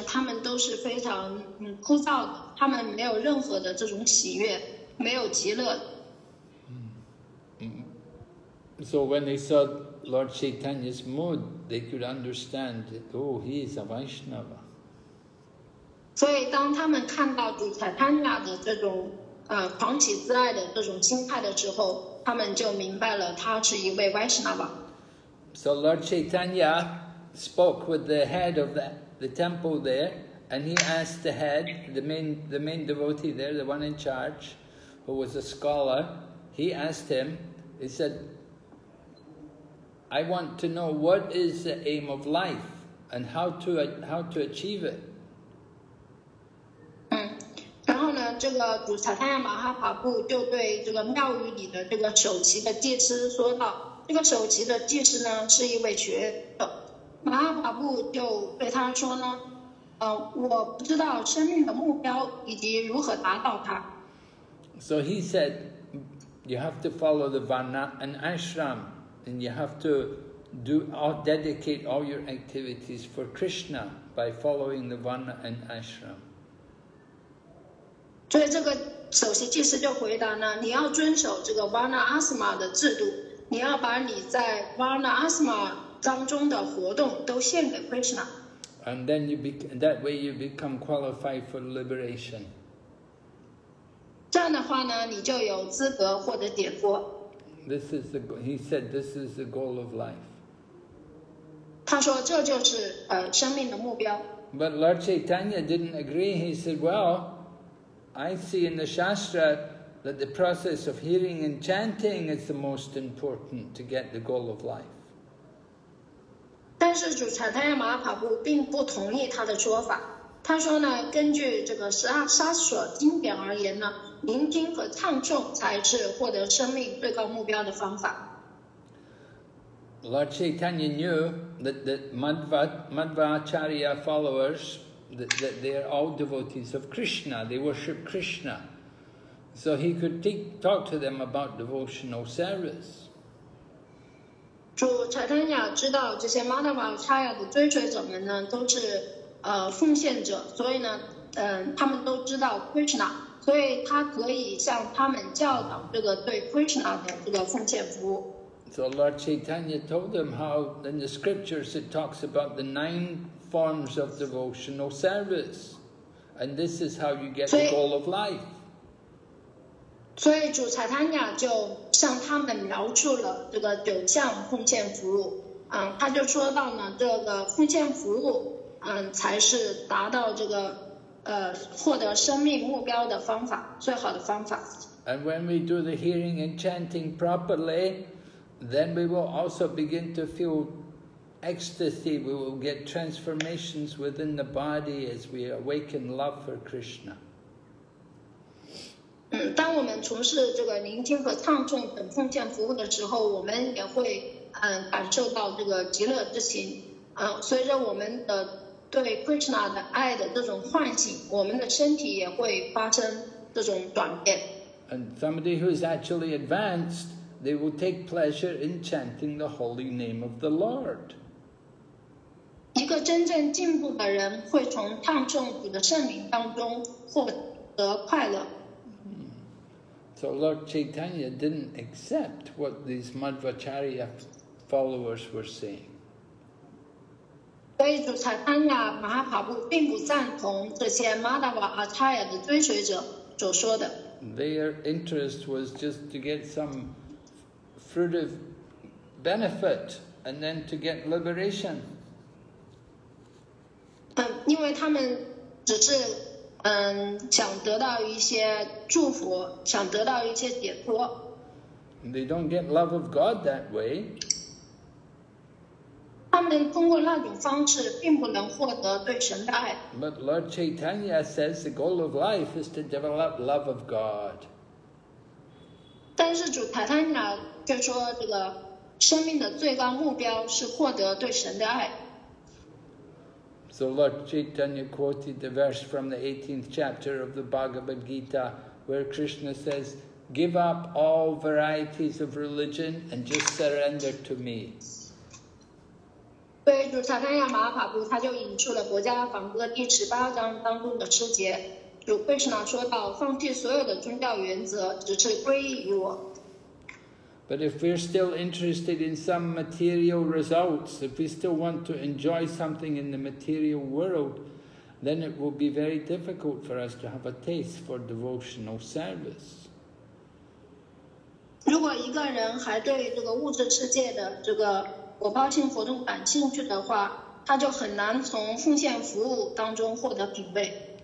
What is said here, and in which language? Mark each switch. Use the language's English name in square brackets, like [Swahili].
[Chinese] 他们都是非常枯燥的，他们没有任何的这种喜悦，没有极乐。 [English] So when they saw Lord Chaitanya's mood, they could understand that, oh, he is a Vaishnava. So when they saw the Lord Chaitanya's mood, So Lord Chaitanya spoke with the head of the temple there, and he asked the head, the main devotee there, the one in charge, who was a scholar, he asked him, he said, I want to know what is the aim of life and how to achieve it. [Chinese] 然后呢，这个主财坦雅马哈法布就对这个庙宇里的这个首席的祭司说道，这个首席的祭司呢是一位学者，马哈法布就对他说呢，我不知道生命的目标以及如何达到它。 [English] So he said, you have to follow the varna and ashram. And you have to do all, dedicate all your activities for Krishna by following the Varna and Ashram. [Chinese] 所以这个首席祭司就回答呢，你要遵守这个 Varna Ashram 的制度，你要把你在 Varna Ashram 当中的活动都献给 Krishna。 [English] And then you that way you become qualified for liberation. [Chinese] 这样的话呢，你就有资格获得解脱。 [English] This is the he said. This is the goal of life. [Chinese] 他说这就是生命的目标。 [English] But Lord Chaitanya didn't agree. He said, "Well, I see in the Shastra that the process of hearing and chanting is the most important to get the goal of life." [Chinese] 但是主禅台亚马哈帕布并不同意他的说法。他说呢，根据这个沙索经典而言呢，聆听和唱诵才是获得生命最高目标的方法。 [English] Lord Chaitanya knew that the Madhvacharya followers, that they are all devotees of Krishna, they worship Krishna. So he could talk to them about devotional service. [Chinese] 主禅台亚知道这些 Madhvacharya 的追随者们呢，都是奉献者，所以呢，他们都知道 Krishna， 所以他可以向他们教导这个对 Krishna 的这个奉献服务。 [English] So Lord Chaitanya told them how in the scriptures it talks about the nine forms of devotional service, and this is how you get the goal of life. [Chinese] 所以主禅台亚就向他们描述了这个九项奉献服务，他就说到呢，这个奉献服务。才是达到这个获得生命目标的方法，最好的方法。 [English] And when we do the hearing and chanting properly, then we will also begin to feel ecstasy. We will get transformations within the body as we awaken love for Krishna. [Chinese] 当我们从事这个聆听和唱诵等奉献服务的时候，我们也会感受到这个极乐之情。随着我们的对 Krishna 的爱的这种唤醒，我们的身体也会发生这种转变。 [English] And somebody who is actually advanced, they will take pleasure in chanting the holy name of the Lord. [Chinese] 一个真正进步的人会从唱诵主的圣名当中获得快乐。 [English] So Lord Chaitanya didn't accept what these Madhvacharya followers were saying. [Chinese] 所以主禅台亚马哈帕布并不赞同这些 Madhvacharya 的追随者所说的。 [English] Their interest was just to get some fruitive benefit and then to get liberation. [Chinese] 因为他们只是想得到一些祝福，想得到一些解脱。 [English] They don't get love of God that way. [Chinese] 他们通过那种方式并不能获得对神的爱。 [English] But Lord Chaitanya says the goal of life is to develop love of God. [Chinese] 但是主台坦雅却说这个生命的最高目标是获得对神的爱。 [English] So Lord Chaitanya quoted the verse from the 18th chapter of the Bhagavad Gita where Krishna says, give up all varieties of religion and just surrender to me. [Chinese] 对主禅台亚马哈帕布，他就引出了《国家梵歌》第十八章当中的诗节，主贝什纳说到：“放弃所有的宗教原则，只是皈依于我。” [English] But if we're still interested in some material results, if we still want to enjoy something in the material world, then it will be very difficult for us to have a taste for devotional service. [Chinese] 如果一个人还对这个物质世界的这个果报性活动感兴趣的话，他就很难从奉献服务当中获得品味。